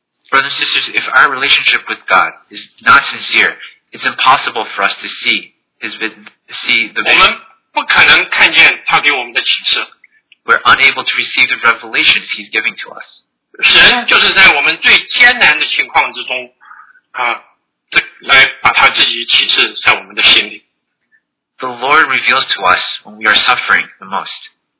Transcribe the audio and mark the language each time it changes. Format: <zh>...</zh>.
<en>Brothers and sisters, if our relationship with God is not sincere, it's impossible for us to see the vision.</en> <zh>我们不可能看见他给我们的启示。</zh> <en>We're unable to receive the revelation he's giving to us.</en> <zh>神就是在我们最艰难的情况之中来把他自己启示在我们的心里。</zh> <en>The Lord reveals to us when we are suffering the most.</en>